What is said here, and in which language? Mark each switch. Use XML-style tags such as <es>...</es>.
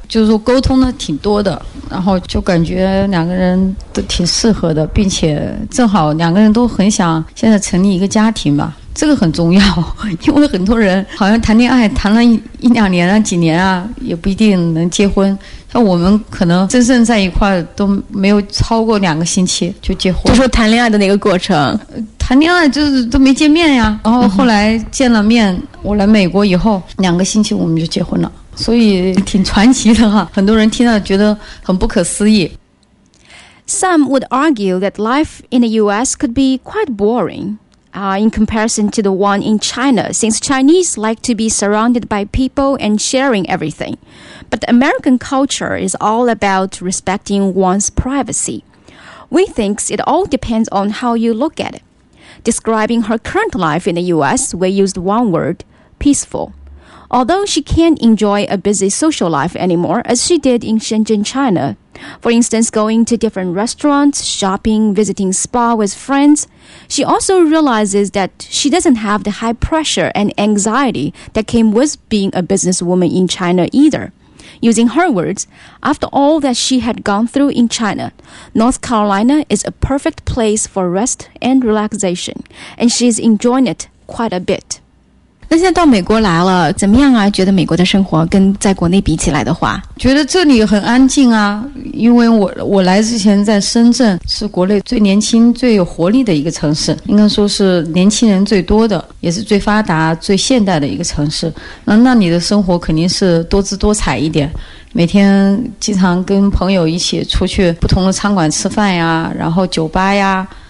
<zh>就是说沟通的挺多的，然后就感觉两个人都挺适合的，并且正好两个人都很想现在成立一个家庭吧，这个很重要，因为很多人好像谈恋爱谈了一两年啊几年啊也不一定能结婚，像我们可能真正在一块都没有超过两个星期就结婚。就说谈恋爱的那个过程，谈恋爱就是都没见面呀，然后后来见了面，我来美国以后两个星期我们就结婚了，所以挺传奇的哈，很多人听到觉得很不可思议。</zh> <en>Some would argue that life in the US could be quite boring, in comparison to the one in China, since Chinese like to be surrounded by people and sharing everything. But the American culture is all about respecting one's privacy. We think it all depends on how you look at it. Describing her current life in the US, we used one word, peaceful. Although she can't enjoy a busy social life anymore as she did in Shenzhen, China. For instance, going to different restaurants, shopping, visiting spa with friends. She also realizes that she doesn't have the high pressure and anxiety that came with being a businesswoman in China either. Using her words, after all that she had gone through in China, North Carolina is a perfect place for rest and relaxation, and she's enjoying it quite a bit.</en> <zh>那现在到美国来了怎么样啊，觉得美国的生活跟在国内比起来的话，觉得这里很安静啊，因为我来之前在深圳是国内最年轻最有活力的一个城市，应该说是年轻人最多的也是最发达最现代的一个城市，那里的生活肯定是多姿多彩一点，每天经常跟朋友一起出去不同的餐馆吃饭呀，然后酒吧呀，</zh>